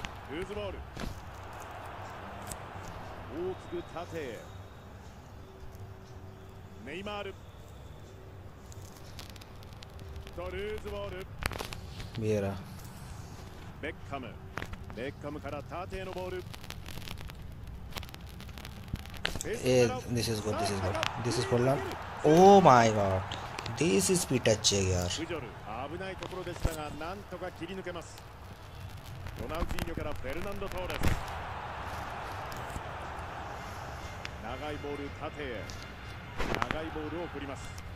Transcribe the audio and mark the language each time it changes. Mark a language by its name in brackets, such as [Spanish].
[Japanese] ルーズボール、大きく縦へ、ネイマール、とルーズボール、ビエラ、ベッカム、ベッカムから縦へのボール。 [English] This is good, this is good, this is Poland. Oh my god. This is Peter Cheyar. [Japanese] Fujol, 危ないところでしたが、なんとか切り抜けます。ロナウジーニョからフェルナンド・トーレス。長いボール縦へ。長いボールを振ります。